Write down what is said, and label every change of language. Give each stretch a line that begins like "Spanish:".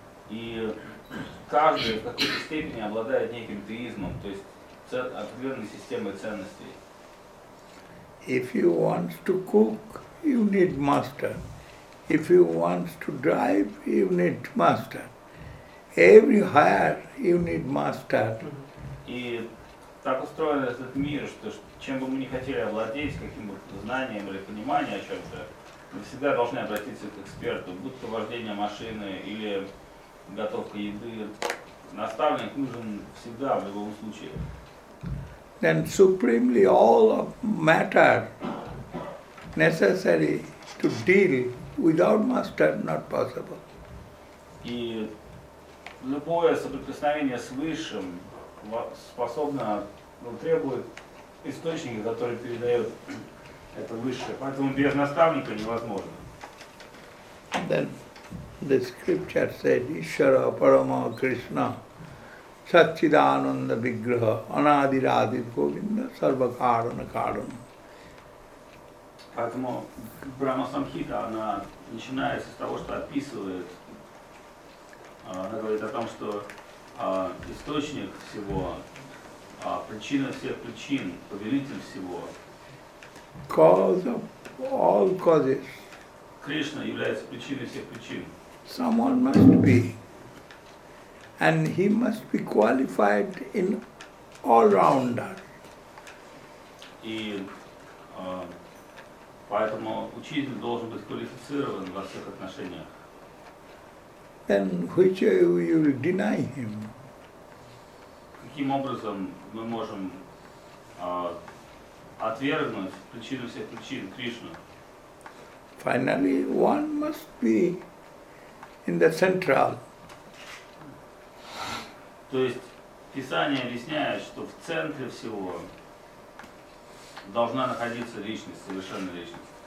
Russian: И каждый в какой-то степени обладает неким теизмом, то есть определенной системой ценностей.
English: If you want to cook, you need master. If you want to drive, you need master. Every higher, you need master.
Russian: И так устроен этот мир, что чем бы мы ни хотели овладеть, каким бы знанием или пониманием о чем-то, мы всегда должны обратиться к эксперту, будь то вождение машины или готовка еды. Наставник нужен всегда, в любом случае.
English: Then supremely all of matter necessary to deal without master, not possible.
Russian: И любое соприкосновение с Высшим способно, требует источника, который передает это Высшее. Поэтому без наставника невозможно.
English: Then the scripture said,
Sanskrit: Ishvara Parama Krishna, Satchidananda Vigraha, Anadiradit Govinda, Sarva Karana Karana.
Russian: Поэтому Брахма Самхита, она начинается с того, что описывает, она говорит о том, что источник всего, причина всех причин, повелитель всего.
English: Cause of all causes.
Russian: Кришна является причиной всех причин.
English: Someone must be. And he must be qualified in all rounder.
Russian: И поэтому учитель должен быть квалифицирован во всех отношениях.
English: Then which way will you deny him?
Russian: Каким образом мы можем отвергнуть причину всех причин Кришну?
English: Finally, one must be in the central.
Russian: То есть Писание объясняет, что в центре всего должна находиться личность, совершенная личность.